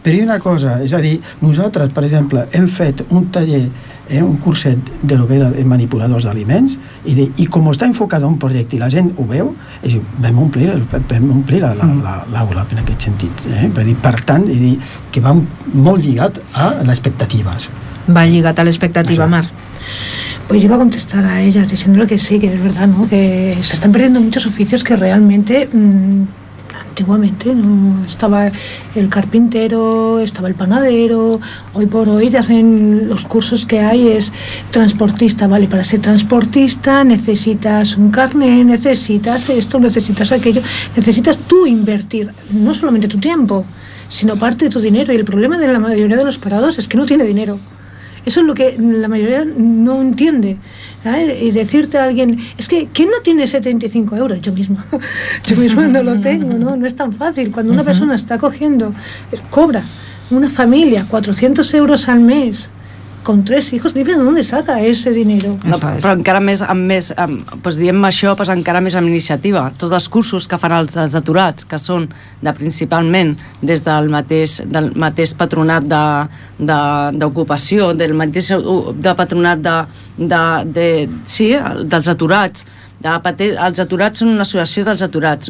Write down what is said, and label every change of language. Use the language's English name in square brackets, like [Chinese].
[Catalan] Però hi ha una cosa, és a dir, nosaltres, per exemple, hem fet un taller, un curset de lo que era de manipuladors d'aliments, i com està enfocat a un projecte i la gent ho veu, és dir, vam omplir l'aula en aquest sentit. Per tant, és dir, que va molt lligat a les expectatives. Va lligat a l'expectativa, Mar. [Spanish] Pues yo iba a contestar a ella diciéndole que sí, que es verdad, ¿no? Que se están perdiendo muchos oficios que realmente antiguamente, ¿no? Estaba el carpintero, estaba el panadero, hoy por hoy te hacen los cursos que hay, es transportista, ¿vale? Para ser transportista necesitas un carnet, necesitas esto, necesitas aquello, necesitas tú invertir, no solamente tu tiempo, sino parte de tu dinero, y el problema de la mayoría de los parados es que no tiene dinero. Eso es lo que la mayoría no entiende, ¿sabes? Y decirte a alguien, es que ¿quién no tiene 75 euros? Yo misma no lo tengo, ¿no? No es tan fácil. Cuando una persona está cobra una familia 400 euros al mes, con tres hijos, dime dónde saca ese dinero. [Catalan] No, però encara més, amb més amb, doncs diem això, doncs encara més amb iniciativa. Tots els cursos que fan els aturats, que són de, principalment des del mateix patronat d'ocupació, del mateix de patronat de sí, dels aturats, els aturats són una associació dels aturats.